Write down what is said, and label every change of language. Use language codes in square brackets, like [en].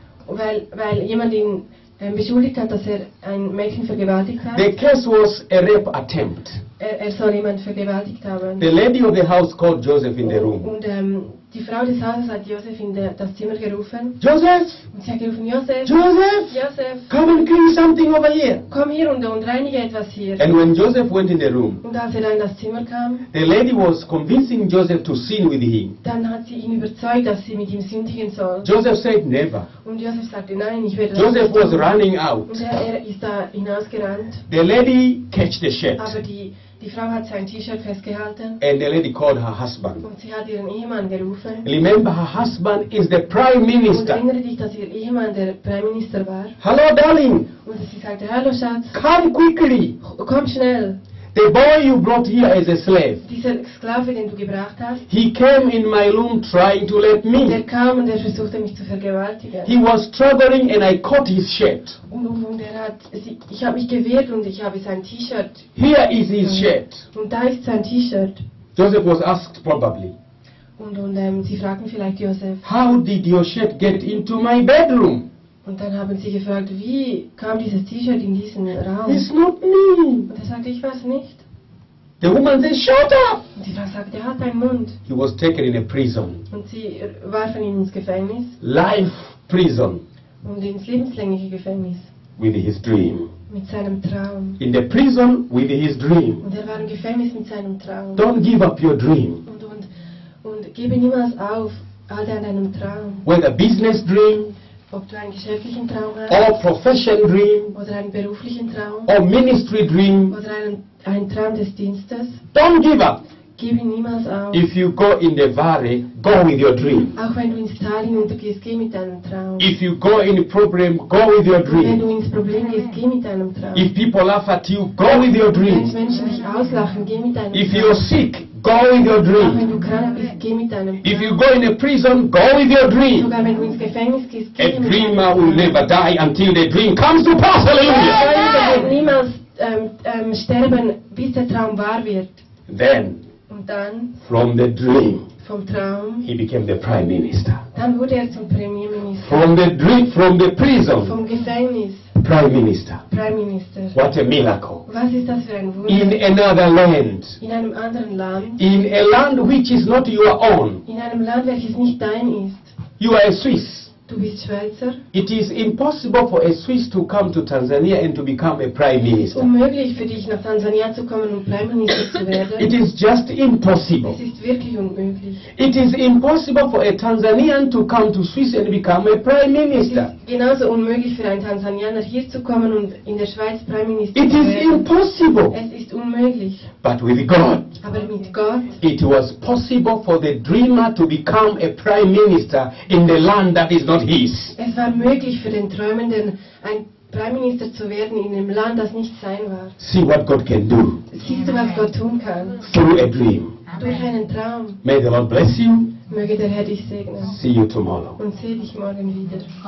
[de] Weil jemand ihn beschuldigt hat, dass er ein Mädchen vergewaltigt hat. [en] The case was a rape attempt. [de] Er soll jemand vergewaltigt haben. [en] The lady of the house called Joseph in the room. [de] Und die Frau des Hauses hat Joseph in das Zimmer gerufen. [en] Joseph. [de] Und sie hat gerufen, Joseph. [en] Joseph. Joseph. Come and clean something over here. [de] Komm hier und reinige etwas hier. [en] And when Joseph went in the room. [de] Und als er in das Zimmer kam. [en] The lady was convincing Joseph to sin with him. [de] Dann hat sie ihn überzeugt, dass sie mit ihm sündigen soll. [en] Joseph said never. [de] Und Joseph sagte nein, ich werde. [en] Joseph was running out. [de] Und er ist da hinausgerannt. [en] The lady catch the shirt. [de] Aber die Frau hat sein T-Shirt festgehalten. [en] And the lady called her husband. [de] Und sie hat ihren Ehemann gerufen. [en] Remember, her husband is the prime minister. [de] Und erinnere dich, dass ihr Ehemann der Prime Minister war. [en] Hallo, darling. [de] Und sie sagte, hallo, Schatz. [en] Come quickly. [de] Komm schnell. [en] The boy you brought here as a slave. [de] Dieser Sklave, den du gebracht hast. [en] He came in my room trying to let me. [de] Der kam und er versuchte mich zu vergewaltigen. [en] He was struggling and I caught his shirt. [de] Und er hat, ich habe mich gewehrt und ich habe sein T-Shirt. [en] Here is his shirt. [de] Und da ist sein T-Shirt. [en] Joseph was asked probably. [de] Und sie fragten vielleicht Joseph. [en] How did your shirt get into my bedroom? [de] Und dann haben sie gefragt, wie kam dieses T-Shirt in diesen Raum? [en] It's not me. [de] Und er sagte, ich weiß nicht. [en] The woman said, shut up. [de] Und die Frau sagte, halt deinen Mund. [en] He was taken in a prison. [de] Und sie warfen ihn ins Gefängnis. [en] Life prison. [de] Und ins lebenslängliche Gefängnis. [en] With his dream. [de] Mit seinem Traum. [en] In the prison with his dream. [de] Und er war im Gefängnis mit seinem Traum. [en] Don't give up your dream. [de] Und gebe niemals auf, halte an deinem Traum. [en] Whether business dream, [de] ob du einen geschäftlichen Traum hast, [en] or profession dream, [de] oder einen beruflichen Traum, [en] or ministry dream, [de] oder einen Traum des Dienstes, [en] don't give up. [de] Gebe niemals auf. [en] If you go in the valley, go with your dream. [de] Auch wenn du ins Tal hinuntergehst, geh mit deinem Traum. [en] If you go in a problem, go with your dream. [de] Wenn du ins Problem gehst, geh mit deinem Traum. [en] If people laugh at you, go with your dream. [de] Wenn Menschen dich auslachen, geh mit deinem Traum. [en] If you're sick, go with your dream. [de] Auch wenn du krank bist, geh mit deinem Traum. [en] If you go in a prison, go with your dream. [de] Sogar wenn du ins Gefängnis gehst, geh mit deinem Traum. [en] A dreamer will never die until the dream comes to pass. Hallelujah. [de] Ein Träumer wird niemals sterben, bis der Traum wahr wird. [en] Then. [de] Und dann, [en] from the dream, [de] vom Traum, [en] he became the prime minister. [de] Dann wurde er zum Premierminister. [en] From the dream, from the prison, [de] vom Gefängnis, [en] prime minister. [de] Prime minister. [en] What a miracle! [de] Was ist das für ein Wunder? [en] In another land, [de] in einem anderen Land, [en] in a land which is not your own, [de] in einem Land, welches nicht dein ist. [en] You are a Swiss. [de] Du bist Schweizer. [en] It is impossible for a Swiss to come to Tanzania and to become a prime minister. [de] Unmöglich für dich, nach Tanzania zu kommen und Prime Minister zu werden. [en] It is just impossible. [de] Es ist wirklich unmöglich. [en] It is impossible for a Tanzanian to come to Swiss and become a prime minister. [de] Es ist genauso unmöglich für einen Tanzanianer hier zu kommen und in der Schweiz Prime Minister zu werden. [en] It is impossible. [de] Es ist unmöglich. [en] But with God. [de] Aber mit Gott. [en] It was possible for the dreamer to become a prime minister in the land that is not his. [de] Es war möglich für den Träumenden, ein Prime Minister zu werden in einem Land, das nicht sein war. [en] See what God can do. [de] Siehst du, was Gott tun kann? [en] Through a dream. [de] Durch einen Traum. [en] May the Lord bless you. [de] Möge der Herr dich segnen. [en] See you tomorrow. [de] Und sehe dich morgen wieder.